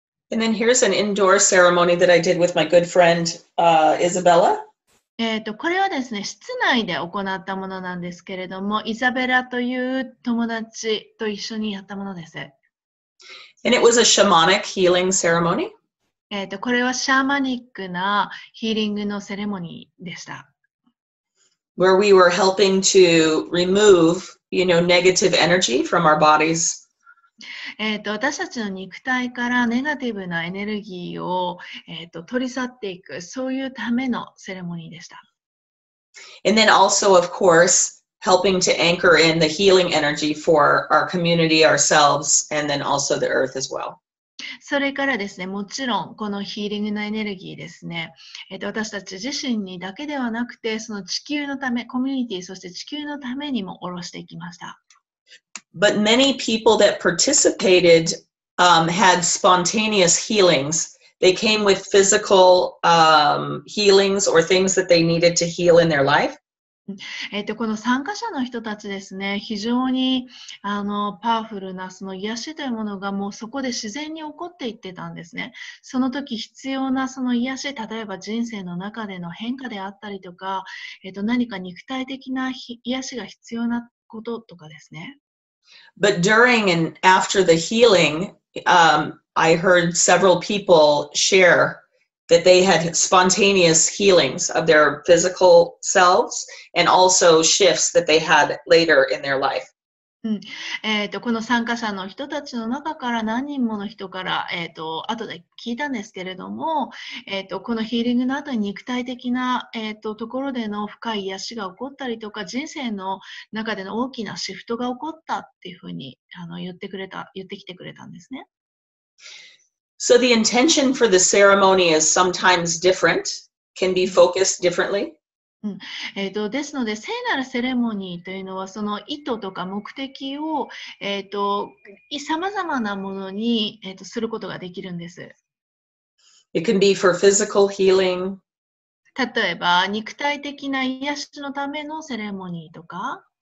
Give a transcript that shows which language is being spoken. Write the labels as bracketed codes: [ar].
[en] And then here's an indoor ceremony that I did with my good friend, Isabella. [ja] これはですね、室内で行ったものなんですけれども、イザベラという友達と一緒にやったものです。 [en] And it was a shamanic healing ceremony. [ja] これはシャーマニックなヒーリングのセレモニーでした。 [en] Where we were helping to remove, you know, negative energy from our bodies. [ja] 私たちの肉体からネガティブなエネルギーを、取り去っていく、そういうためのセレモニーでした。 [en] And then also, of course, helping to anchor in the healing energy for our community, ourselves, and then also the earth as well. [ja] それからですね、もちろんこのヒーリングのエネルギーですね、私たち自身にだけではなくて、その地球のため、コミュニティ、そして地球のためにも下ろしていきました。 [en] But many people that participated had spontaneous healings. They came with physical healings or things that they needed to heal in their life. [ja] この参加者の人たちですね、非常にパワフルなその癒しというものがもうそこで自然に起こっていってたんですね。その時必要なその癒し、例えば人生の中での変化であったりとか、何か肉体的な癒しが必要なこととかですね。 [en] But during and after the healing, I heard several people share that they had spontaneous healings of their physical selves and also shifts that they had later in their life. [ja] うん、この参加者の人たちの中から何人もの人から、後で聞いたんですけれども、このヒーリングの後に肉体的な、ところでの深い癒しが起こったりとか、人生の中での大きなシフトが起こったっていうふうに言ってきてくれたんですね。 [en] So the intention for the ceremony is sometimes different, can be focused differently. [ja] うん、ですので、聖なるセレモニーというのは、その意図とか目的を、さまざまなものに、することができるんです。 [en] It can be for physical healing. [ja] 例えば、肉体的な癒しのためのセレモニーとか、